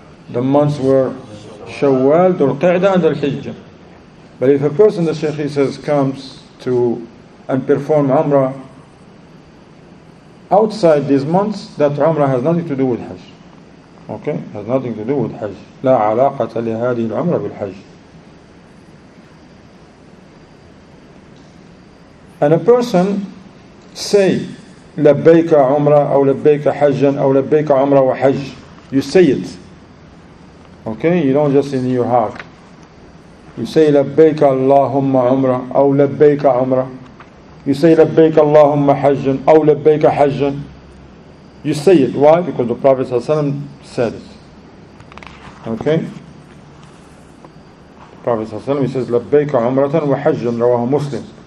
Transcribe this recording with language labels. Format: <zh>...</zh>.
<en>The months were Shawwal, Dhul Qa'dah, and Al-Hijjah. But if a person, the Shaykh says, comes to and perform Umrah outside these months, that Umrah has nothing to do with Hajj. Okay? Has nothing to do with Hajj.</en> <ar>لا علاقة لهذه العمرة بالحج.</ar> <en>And a person say</en> <ar>لبيك عمرة أو لبيك حجا أو لبيك عمرة وحج.</ar> <en>You say it. Okay, you don't just in your heart. You say</en> <ar>لبيك اللهم عمرة أو لبيك عمرة.</ar> <en>You say</en> <ar>لبيك اللهم حجا أو لبيك حجا.</ar> <en>You say it. Why? Because the Prophet صلى الله عليه وسلم said it. Okay. The Prophet</en> <ar>صلى الله عليه وسلم,</ar> <en>he says</en> <ar>لبيك عمرة وحجا, رواه مسلم.</ar>